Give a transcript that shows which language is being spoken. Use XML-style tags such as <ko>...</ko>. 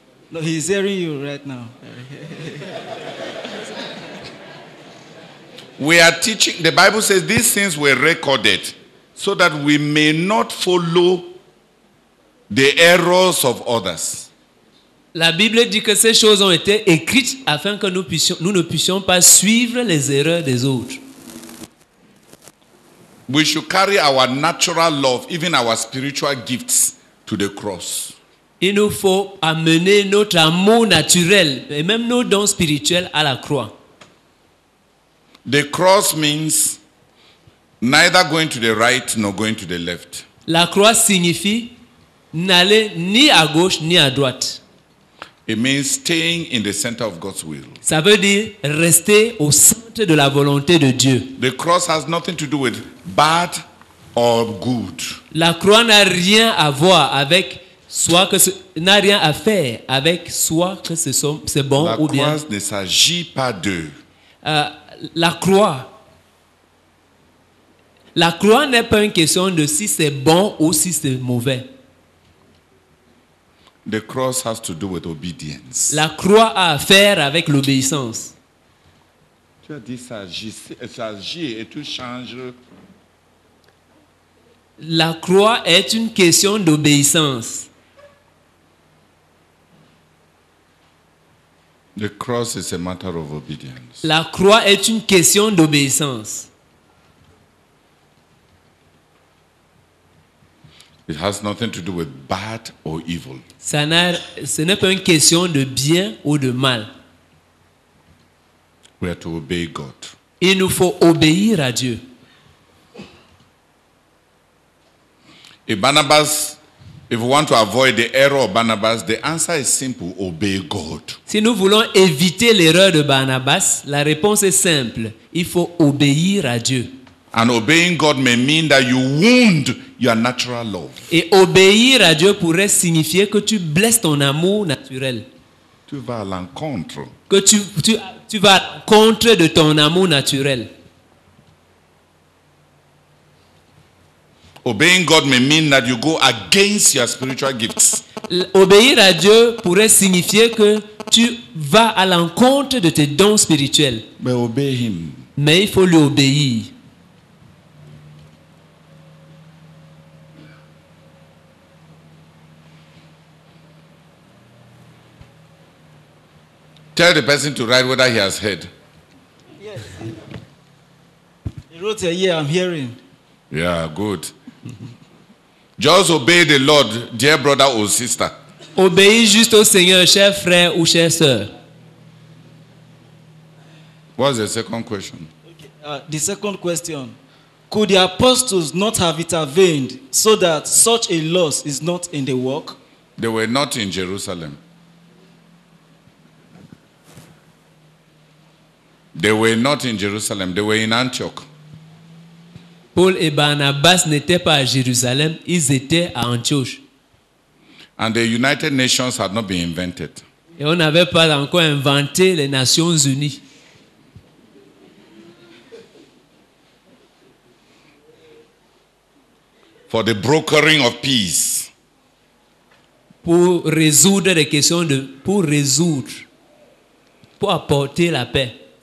<en>No, he's hearing you right now. We are teaching, the Bible says these things were recorded so that we may not follow the errors of others.</en> <fr>La Bible dit que ces choses ont été écrites afin que nous ne puissions pas suivre les erreurs des autres.</fr> <en>We should carry our natural love, even our spiritual gifts, to the cross.</en> <fr>Il nous faut amener notre amour naturel et même nos dons spirituels à la croix.</fr> <en>The cross means neither going to the right nor going to the left.</en> <fr>La croix signifie n'aller ni à gauche ni à droite.</fr> <en>It means staying in the center of God's will.</en> <fr>Ça veut dire rester au centre de la volonté de Dieu.</fr> <en>The cross has nothing to do with bad or good.</en> <fr>La croix n'a rien à voir avec soit que ce, n'a rien à faire avec soit que ce soit c'est bon la ou bien. La croix ne s'agit pas de. La croix n'est pas une question de si c'est bon ou si c'est mauvais.</fr> <en>The cross has to do with obedience.</en> <fr>La croix a à faire avec l'obéissance. Tu as dit ça agit et tout change. La croix est une question d'obéissance.</fr> <en>The cross is a matter of obedience.</en> <fr>La croix est une question d'obéissance.</fr> <en>It has nothing to do with bad or evil.</en> <fr>Ce n'est pas une question de bien ou de mal.</fr> <en>We are to obey God.</en> <fr>Il nous faut obéir à Dieu.</fr> <en>If Barnabas, if we want to avoid the error of Barnabas, the answer is simple: obey God.</en> <fr>Si nous voulons éviter l'erreur de Barnabas, la réponse est simple: il faut obéir à Dieu.</fr> <en>And obeying God may mean that you wound your natural love.</en> <fr>Et obéir à Dieu pourrait signifier que tu blesses ton amour naturel. Tu vas à l'encontre. Que tu vas contre de ton amour naturel.</fr> <en>Obeying God may mean that you go against your spiritual gifts.</en> <fr>Obéir à Dieu pourrait signifier que tu vas à l'encontre de tes dons spirituels.</fr> <en>But obey him.</en> <fr>Mais il faut lui obéir.</fr> <en>Tell the person to write whether he has heard. Yes. He wrote here, yeah, I'm hearing. Yeah, good. Just obey the Lord, dear brother or sister.</en> <fr>Obéis juste au Seigneur, cher frère ou chère sœur.</fr> <en>What's the second question? Okay. The second question. Could the apostles not have intervened so that such a loss is not in the work? They were not in Jerusalem. They were not in Jerusalem. They were in Antioch.</en> <fr>Paul et Barnabas n'étaient pas à Jérusalem, ils étaient à Antioche.</fr> <en>And the United Nations had not been invented.</en> <fr>Et on n'avait pas encore inventé les Nations Unies.</fr> <en>for the brokering of peace.</en> <fr>Pour résoudre les questions de, pour résoudre, pour apporter la paix.</fr>